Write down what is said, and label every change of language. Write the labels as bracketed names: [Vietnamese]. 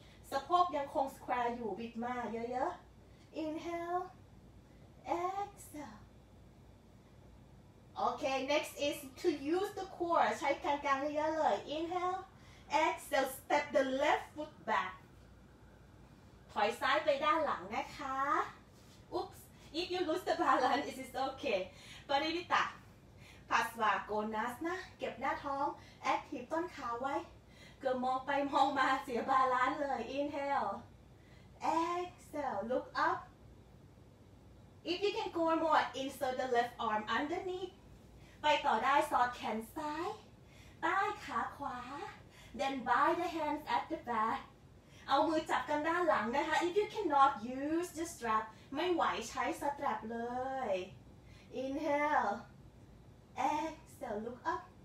[Thai] สะโพกยังคง square อยู่บิดมาเยอะๆ [English] Inhale, exhale. Okay, next is to use the core. [Thai] ใช้การกลางเยอะเลย [English] Inhale, exhale. Step the left foot back. [Thai] ถอยซ้ายไปด้านหลังนะคะ [English] Oops. If you lose the balance, it is okay. [Thai] ปริวิตาพาสวาโกนัสนะเก็บหน้าท้องแอคทีฟต้นขาไว้เกือบมองไปมองมาเสียบาลานซ์เลย [English] Inhale Exhale Look up If you can go more Insert the left arm underneath [Thai] ไปต่อได้สอดแขนซ้ายใต้ขาขวา [English] Then by the hands at the back [Thai] เอามือจับกันด้านหลังนะคะ [English] If you cannot use the strap [Thai] ไม่ไหวใช้สแตรปเลย [English] InhaleExhale, look up.